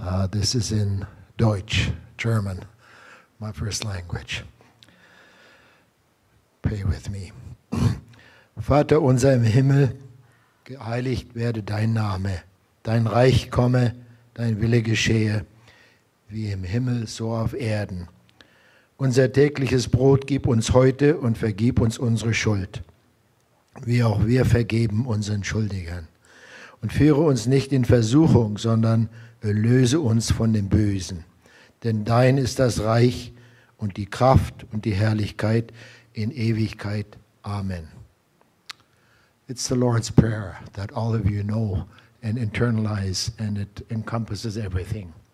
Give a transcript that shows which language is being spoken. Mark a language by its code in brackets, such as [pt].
[en] This is in Deutsch, German, my first language. Pray with me. [de] Vater unser im Himmel, geheiligt werde dein Name, dein Reich komme, dein Wille geschehe, wie im Himmel, so auf Erden. Unser tägliches Brot gib uns heute und vergib uns unsere Schuld, wie auch wir vergeben unseren Schuldigern. Und führe uns nicht in Versuchung, sondern erlöse uns von dem Bösen. Denn dein ist das Reich und die Kraft und die Herrlichkeit in Ewigkeit. Amen. [en] It's the Lord's Prayer that all of you know and internalize, and it encompasses everything.